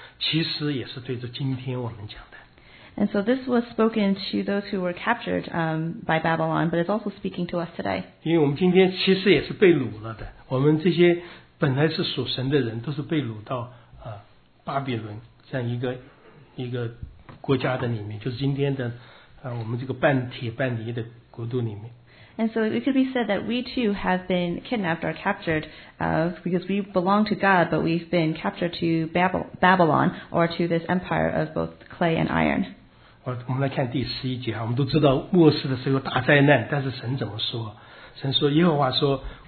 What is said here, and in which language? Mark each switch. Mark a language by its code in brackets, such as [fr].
[zh] 这当然是指着那些被掳到巴比伦的那些以色列渔民讲的，其实也是对着今天我们讲的。 [en] And so this was spoken to those who were captured by Babylon, but it's also speaking to us today. [zh] 因为我们今天其实也是被掳了的，我们这些本来是属神的人都是被掳到。巴比伦这样一个国家的里面，就是今天的，我们这个半铁半泥的国度里面。 [en] And so it could be said that we too have been kidnapped or captured, because we belong to God, but we've been captured to Babylon or to this empire of both clay and iron. [zh] 我们来看第十一节，我们都知道末世的时候大灾难，但是神怎么说？神说，耶和华说。